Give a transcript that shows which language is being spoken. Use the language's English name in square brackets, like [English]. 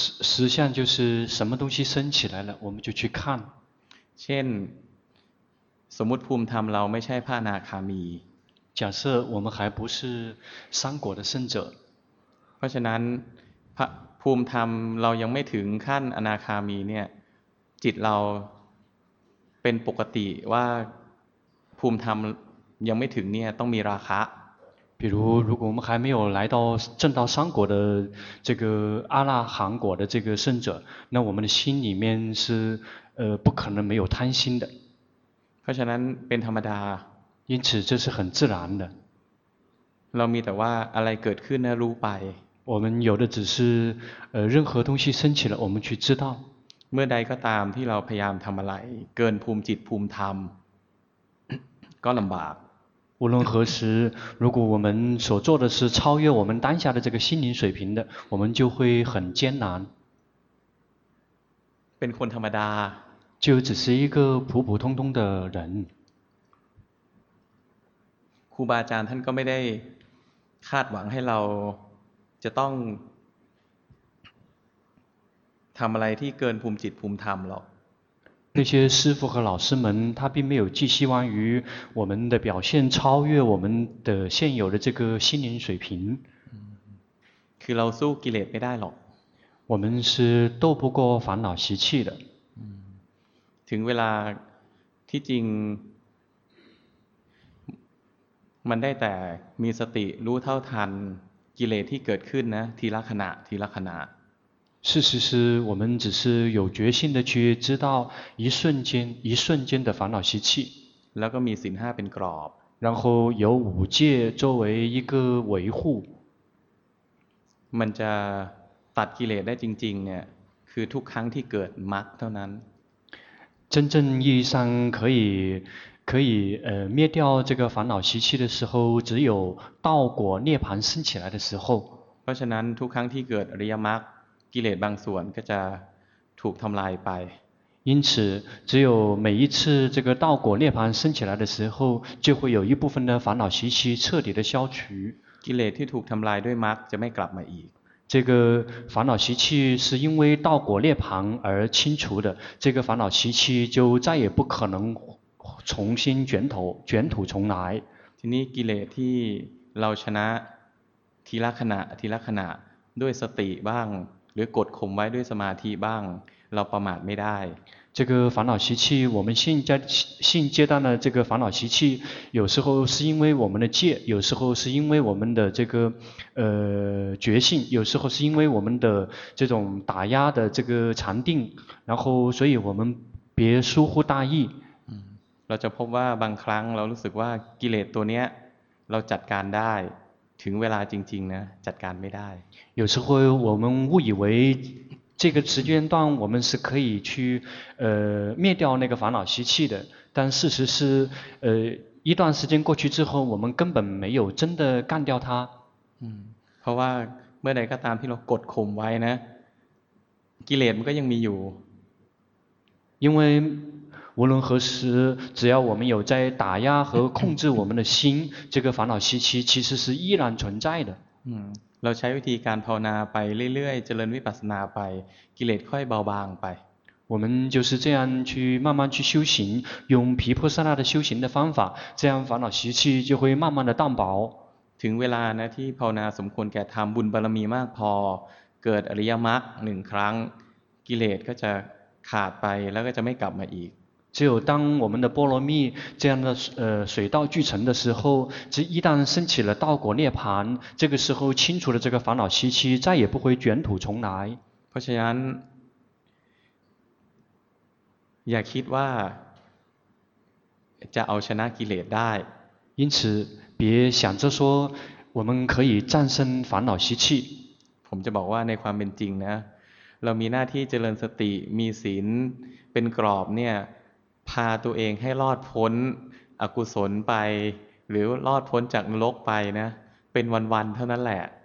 [Chinese] 实相就是什么东西升起来了我们就去看 [Thai] เช่นสมมติภูมิธรรมเราไม่ใช่พระอนาคามี [Chinese] 假设我们还不是三果的圣者， [Thai] เพราะฉะนั้นภูมิธรรมเรายังไม่ถึงขั้นอนาคามีเนี่ยจิตเราเป็นปกติว่าภูมิธรรมยังไม่ถึงเนี่ยต้องมีราคะ [Chinese] 比如如果我们还没有来到证到三果的这个阿拉含果的这个圣者，那我们的心里面是不可能没有贪心的。 [Thai] เพราะฉะนั้นเป็นธรรมดา [Chinese] 因此这是很自然的 [Thai] เรามีแต่ว่าอะไรเกิดขึ้นนะรู้ไป [Chinese] 我们有的只是任何东西升起了我们去知道 [Thai] เมื่อใดก็ตามที่เราพยายามทำอะไรเกินภูมิจิตภูมิธรรมก็ลำบาก [Chinese] 无论何时如果我们所做的是超越我们当下的这个心灵水平的我们就会很艰难 [Thai] เป็นคนธรรมดา [Chinese] 就只是一个普普通通的人 [Thai] ครูบาอาจารย์ท่านก็ไม่ได้คาดหวังให้เราจะต้องทำอะไรที่เกินภูมิจิตภูมิธรรมหรอก [Chinese] 那些师父和老师们他并没有寄希望于我们的表现超越我们的现有的这个心灵水平 [Thai] คือเราสู้กิเลสไม่ได้หรอก [Chinese] 我们是斗不过烦恼习气的 [Thai] ถึงเวลาที่จริงมันได้แต่มีสติรู้เท่าทันกิเลสที่เกิดขึ้นนะทีละขณะทีละขณะ [Chinese] 事实是我们只是有决心的去知道一瞬间一瞬间的烦恼习气 [Thai] แล้วก็มีศีลห้าเป็นกรอบ [Chinese] 然后有五戒作为一个维护 [Thai] มันจะตัดกิเลสได้จริงๆเนี่ยคือทุกครั้งที่เกิดมรรคเท่านั้น [Chinese] 真正意义上可以灭掉这个烦恼习气的时候只有道果涅槃升起来的时候 [Thai] เพราะฉะนั้นทุกครั้งที่เกิดอริยมรรคกิเลสบางส่วนก็จะถูกทําลายไป [Chinese] 因此只有每一次这个道果涅槃升起来的时候就会有一部分的烦恼习气彻底的消除 [Thai] กิเลสที่ถูกทําลายด้วยมรรคจะไม่กลับมาอีก [Chinese] 这个烦恼习气是因为道果涅槃而清除的这个烦恼习气就再也不可能重新卷土重来 [Thai] ทีนี้กิเลสที่เราชนะทีละขณะทีละขณะด้วยสติบ้างหรือกดข่มไว้ด้วยสมาธิบ้างเราประมาทไม่ได้ [Chinese] 这个烦恼习气我们现阶段的这个烦恼习气有时候是因为我们的戒有时候是因为我们的这个觉性有时候是因为我们的这种打压的这个禅定然后所以我们别疏忽大意 [Thai] เราจะพบว่าบางครั้งเรารู้สึกว่ากิเลสตัวเนี้ยเราจัดการได้ถึงเวลาจริงๆนะจัดการไม่ได้ [Chinese] 有时候我们误以为这个时间段我们是可以去灭掉那个烦恼习气的但事实是一段时间过去之后我们根本没有真的干掉它 [Thai] เพราะว่าเมื่อใดก็ตามที่เรากดข่มไว้นะกิเลสมันก็ยังมีอยู่ [Chinese] 因为无论何时，只要我们有在打压和控制我们的心，这个烦恼习气其实是依然存在的。 [Thai] เราใช้วิธีการภาวนาไปเรื่อยๆเจริญวิปัสสนาไปกิเลสค่อยเบาบางไป [Chinese] 我们就是这样去慢慢去修行，用毗婆舍那的修行的方法，这样烦恼习气就会慢慢的淡薄。 [Thai] ถึงเวลานะที่ภาวนาสมควรแก่ธรรมบุญบารมีมากพอเกิดอริยมรรคหนึ่งครั้งกิเลสก็จะขาดไปแล้วก็จะไม่กลับมาอีก [Chinese] 只有当我们的波罗蜜这样的水到渠成的时候，这一旦升起了道果涅槃，这个时候清除了这个烦恼习气，再也不会卷土重来。 [Thai] เพราะฉะนั้นอย่าคิดว่าจะเอาชนะกิเลสได้ [Chinese] 因此别想着说我们可以战胜烦恼习气。 [Thai] ผมจะบอกว่าในความเป็นจริงนะเรามีหน้าที่เจริญสติมีศีลเป็นกรอบเนี่ยพาตัวเองให้รอดพ้นอกุศลไปหรือรอดพ้นจากนรกไปนะเป็นวันๆเท่านั้นแหละ